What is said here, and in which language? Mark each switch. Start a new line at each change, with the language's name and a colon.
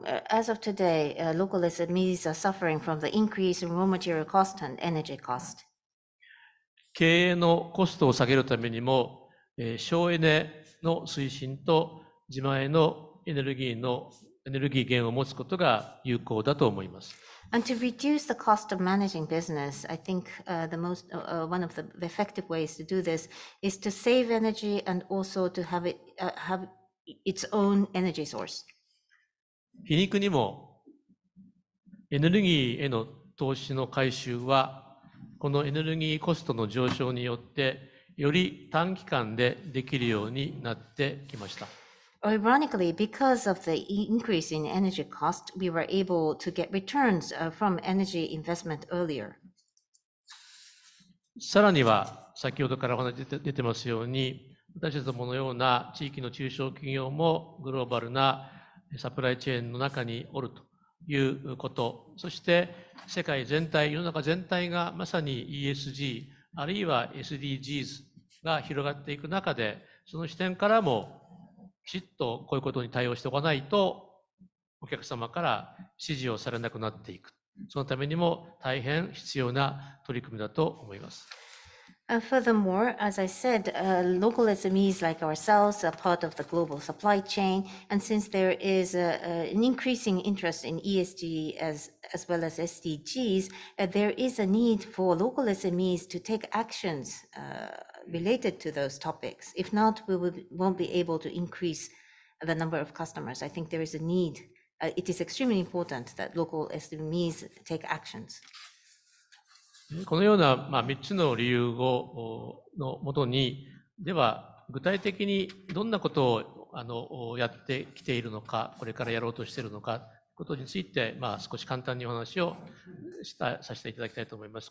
English: As of today, local SMEs are suffering from the increase in raw material cost and energy cost.
Japanese: 経営のコストを下げるためにも、省エネの推進と自前のエネルギー源を持つことが有効だと思います。
English: And to reduce the cost of managing business, I think one of the effective ways to do this is to save energy and also to have its own energy source.
Japanese: 皮肉にもエネルギーへの投資の回収はこのエネルギーコストの上昇によってより短期間でできるようになってきました。
English: Ironically, because of the increase in energy cost, we were able to get returns from energy investment earlier.
Japanese: さらには、先ほどからお話が出てますように、私どものような地域の中小企業もグローバルなサプライチェーンの中におるということ、そして世界全体、世の中全体がまさに ESG、あるいは SDGs が広がっていく中で、その視点からも、きちっとこういうことに対応しておかないとお客様から支持をされなくなっていく。そのためにも大変必要な取り組みだと思います。
English: Furthermore, as I said, local SMEs like ourselves are part of the global supply chain, and since there is an increasing interest in ESG as well as SDGs, there is a need for local SMEs to take actions. Related to those topics. If not, we won't be able to increase the number of customers. I think there is a need. It is extremely important that local SMEs take actions.
Japanese: このような、3つの理由をのもとに、では具体的にどんなことをやってきているのか、これからやろうとしているのか、ことについて、少し簡単にお話をさせていただきたいと思います。